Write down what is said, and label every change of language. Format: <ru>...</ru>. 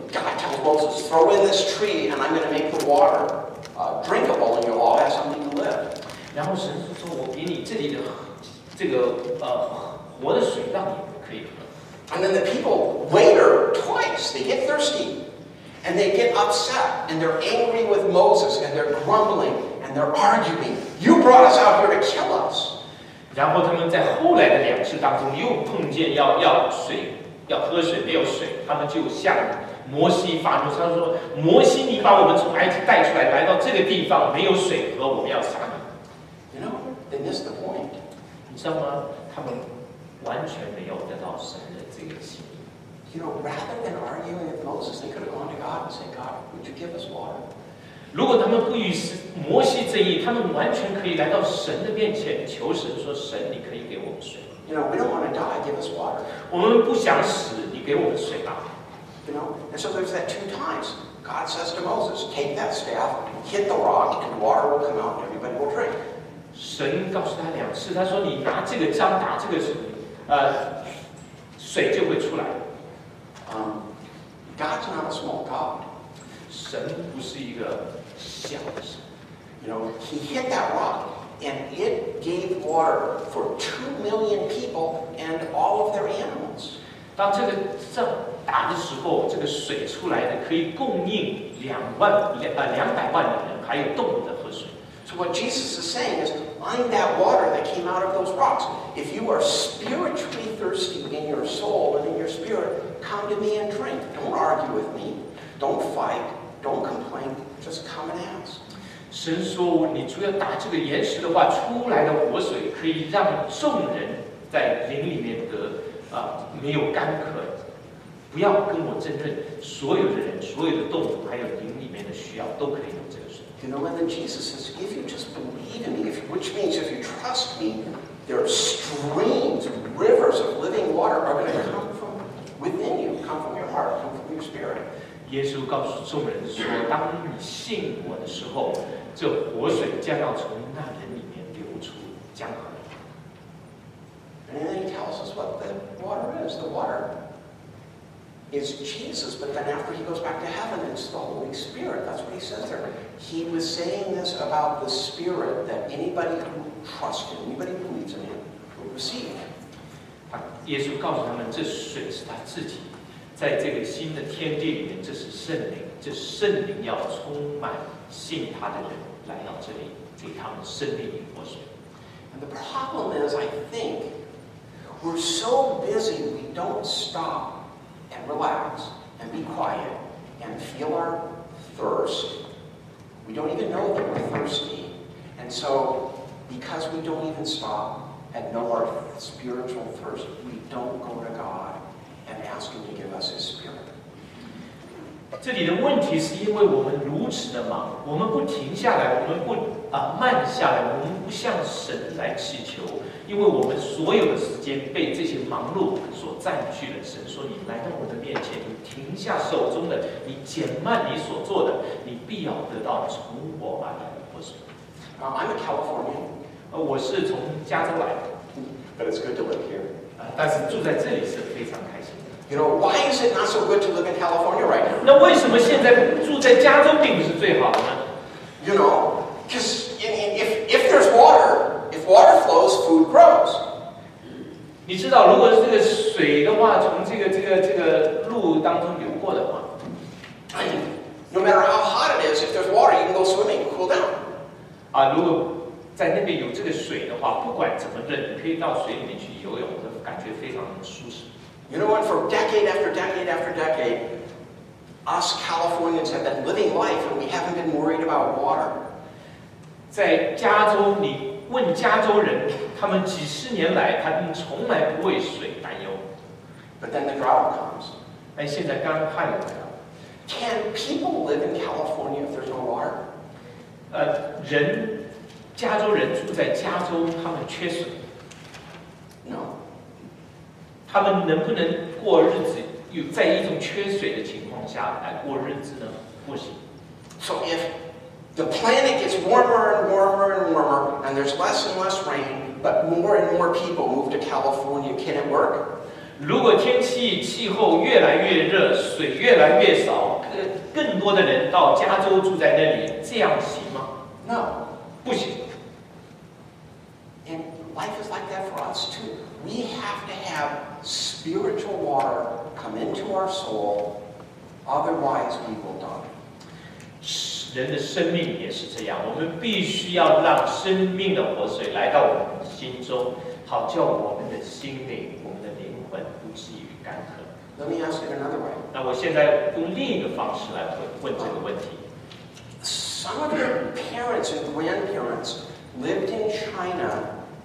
<en>God tells Moses, "Throw in this tree and I'm going to make the water drinkable and you'll all have something to live."</en> <zh>然后神说：“我给你这里的这个活的水，让你可以喝。”</zh> <en>And then the people later. They get thirsty and they get upset and they're angry with Moses and they're grumbling and they're arguing. You brought us out here to kill us.</en> <zh>然后他们在后来的两次当中又碰见要水，要喝水，没有水，他们就向摩西发怒，他说：“摩西，你把我们从埃及带出来，来到这个地方没有水喝，我们要杀你。”</zh> <en>You know, they missed the point.</en> <zh>你知道吗？他们完全没有得到神的这个心。</zh> <en>You know, rather than arguing with Moses, they could have gone to God and said, "God, would you give us water?"</en> <zh>如果他们不与摩西争议，他们完全可以来到神的面前求神，说：“神，你可以给我们水。”</zh> <en>You know, we don't want to die. Give us water.</en> <zh>我们不想死，你给我们水吧。</zh> <en>You know, and so there's that two times God says to Moses, "Take that staff, hit the rock, and water will come out, and everybody will drink."</en> <zh>神告诉他两次，他说：“你拿这个杖打这个水就会出来。”</zh> <en>God's not a small God.</en> <zh>神不是一个小的神。</zh> <en>You know, he hit that rock, and it gave water for 2 million people and all of their animals.</en> <zh>当这个杖打的时候，这个水出来的可以供应200万人，还有动物的喝水。</zh> <en>So what Jesus is saying is, I'm that water that came out of those rocks. If you are spiritually thirsty in your soul and in your spirit, come to me and drink. Don't argue with me. Don't fight. Don't complain. Just come and ask.</en> <zh>神说，你除了打这个岩石的话，出来的活水可以让众人在灵里面得没有干渴。不要跟我争论，所有的人、所有的动物，还有灵里面的需要，都可以有这个水。</zh> <en>You know, and then Jesus says, "If you just believe in me, which means if you trust me, there are streams, rivers of living water are going to come from within you, come from your heart, come from your spirit."</en> <zh>耶稣告诉众人说，当你信我的时候，这活水将要从那人里面流出，将要。</zh> <en>And then he tells tells us what the water is. The water is Jesus, but then after he goes back to heaven, it's the Holy Spirit. That's what he says there. He was saying this about the Spirit that anybody who trusts him, anybody who believes in him, will receive him.</en> <zh>耶稣告诉他们，这水是他自己，在这个新的天地里面，这是圣灵，这圣灵要充满信他的人来到这里，给他们生命与活水。</zh> <en>And the problem is, I think, we're so busy we don't stop and relax and be quiet and feel our thirst. We don't even know that we're thirsty. And so, because we don't even stop and know our spiritual thirst, we don't go to God and ask Him to give us His Spirit.</en> <zh>这里的问题是因为我们如此的忙，我们不停下来，我们不慢下来，我们不向神来祈求，因为我们所有的时间被这些忙碌所占据了。神说：“你来到我的面前，你停下手中的，你减慢你所做的，你必要得到从我而来的活水。”</zh> <en>I'm a Californian.</en> <zh>我是从加州来的。</zh> <en>But it's good to live here.</en> <zh>但是住在这里是非常开心的。</zh> <en>You know, why is it not so good to live in California right now?</en> <zh>那为什么现在住在加州并不是最好的呢？</zh> <en>You know, because if there's water, if water flows, food grows.</en> <zh>你知道，如果是这个水的话，从这个路当中流过的话，</zh> <en>No matter how hot it is, if there's water, you can go swimming, cool down.</en> <zh>如果在那边有这个水的话，不管怎么冷，你可以到水里面去游泳，感觉非常的舒适。</zh> <en>You know what? For decade after decade after decade, us Californians have been living life and we haven't been worried about water.</en> <zh>在加州，你问加州人，他们几十年来，他们从来不为水担忧。</zh> <en>But then the drought comes.</en> <zh>但现在干旱来了。</zh> <en>Can people live in California if there's no water?</en> <zh>人。加州人住在加州，他们缺水。</zh> <en>No.</en> <zh>他们能不能过日子？有在一种缺水的情况下来过日子呢？不行。</zh> <en>So if the planet gets warmer and warmer and warmer, and there's less and less rain, but more and more people move to California, can it work?</en> <zh>如果天气气候越来越热，水越来越少，更多的人到加州住在那里，这样行吗</zh> <en>？No.</en> <zh>不行。</zh> <en>Life is like that for us too. We have to have spiritual water come into our soul, otherwise we will die.</en> <zh>人的生命也是这样，我们必须要让生命的活水来到我们心中，好叫我们的心灵、我们的灵魂不至于干渴。</zh> <en>Let me ask it another way.</en> <zh>那我现在用另一个方式来问这个问题。</zh> <en>Some of your parents and grandparents lived in China.</en>